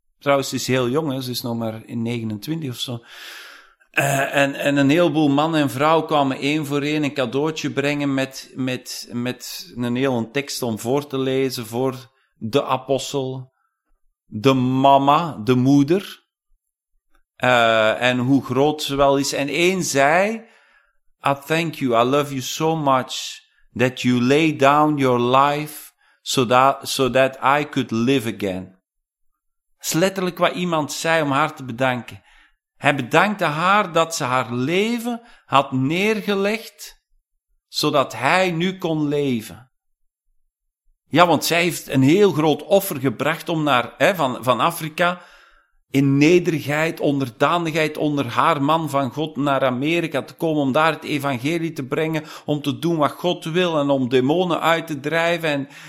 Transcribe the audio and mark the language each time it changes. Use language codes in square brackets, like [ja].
[nl] Trouwens, ze is heel jong, hè. Ze is nog maar in 29 of zo... En een heleboel mannen en vrouwen kwamen één voor één een cadeautje brengen met een hele tekst om voor te lezen voor de apostel, de mama, de moeder, en hoe groot ze wel is. En één zei, [en] I thank you, I love you so much that you lay down your life so that I could live again. [nl] Dat is letterlijk wat iemand zei om haar te bedanken. Hij bedankte haar dat ze haar leven had neergelegd, zodat hij nu kon leven. Ja, want zij heeft een heel groot offer gebracht om naar, van Afrika, in nederigheid, onderdanigheid, onder haar man van God naar Amerika te komen, om daar het evangelie te brengen, om te doen wat God wil en om demonen uit te drijven.